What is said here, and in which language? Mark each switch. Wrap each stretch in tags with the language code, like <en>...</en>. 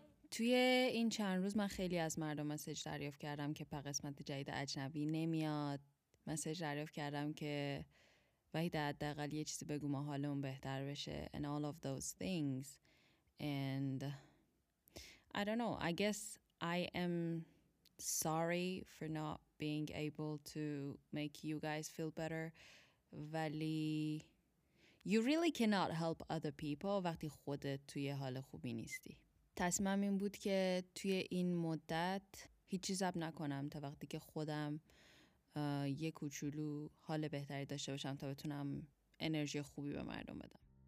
<fa>توی این چند روز من خیلی از مردم مسیج دریافت کردم که پر قسمت جدید اجنبی نمیاد. مسیج دریافت کردم که وحید حداقل یه چیزی بگو ما حالمون بهتر بشه.</fa> <en>And all of those things. And I don't know. I guess I am sorry for not being able to make you guys feel better.</en> <fa>ولی</fa> <en>you really cannot help other people</en> <fa>وقتی خودت توی حال خوبی نیستی. تصمیم این بود که توی این مدت هیچی زب نکنم تا وقتی که خودم یه کوچولو حال بهتری داشته باشم تا بتونم انرژی خوبی به مردم بدم.</fa>